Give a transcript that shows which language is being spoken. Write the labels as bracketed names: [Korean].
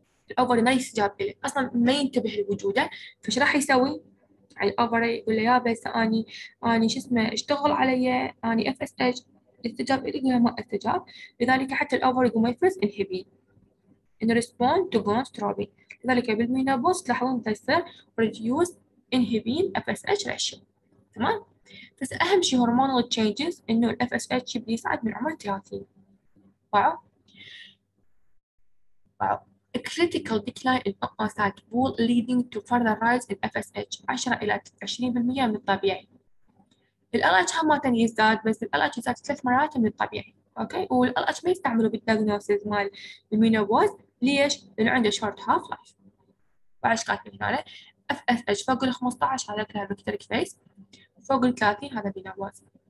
[Arabic] الأوفري ما يستجاب له، أصلاً ما ينتبه لوجوده، فش راح يسوي؟ على الأوفري يقول يا بس أني شو اسمه اشتغل علي أني اف اس اتش استجاب لي ولا ما استجاب، لذلك حتى الأوفري يقوم يفرز انهبين [English] in respond to gonadotropin, [Arabic] لذلك بالمينابوس تلاحظون تصير ريديوس انهبين اف اس اتش ريشيو، تمام؟ بس أهم شيء هرمونال تشينجز انه الاف اس اتش يبدي يصعد من عمر 30. [English] واو A critical decline in oocyte pool leading to further rise in FSH [Arabic] 10 إلى 20% من الطبيعي. الـ LH هم ثاني يزداد بس الـ LH يزداد 3 مرات من الطبيعي، أوكي؟ والـ LH ما يستعملوا بالدياجنوستيز مال المينوبوز، ليش؟ لأنه عنده شورت هاف لايف. وعش كاتب هنا FSH فوق الـ 15 هذا كلام كثير كفايس، فوق الـ 30 هذا مينوبوز.